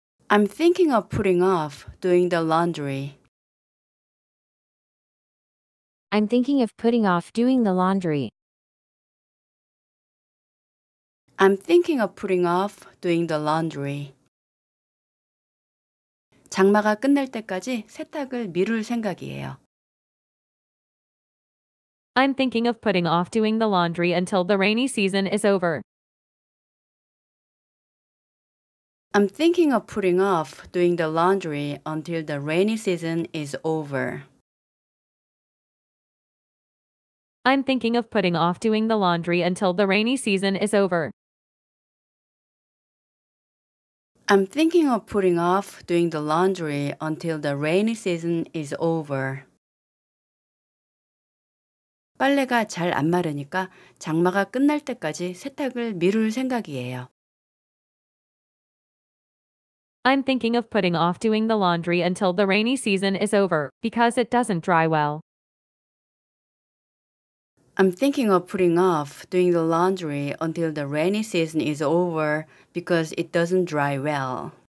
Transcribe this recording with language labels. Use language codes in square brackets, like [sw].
[en] I'm thinking of putting off doing the laundry. I'm thinking of putting off doing the laundry. I'm thinking of putting off doing the laundry. [ko] 장마가 끝날 때까지 세탁을 미룰 생각이에요. [en] I'm thinking of putting off doing the laundry until the rainy season is over. I'm thinking of putting off doing the laundry until the rainy season is over. I'm thinking of putting off doing the laundry until the rainy season is over. I'm thinking of putting off doing the laundry until the rainy season is over. [ko] 빨래가 잘 안 마르니까 장마가 끝날 때까지 세탁을 미룰 생각이에요. [en] I'm thinking of putting off doing the laundry until the rainy season is over because it doesn't dry well. I'm thinking of putting off doing the laundry until the rainy season is over because it doesn't dry well.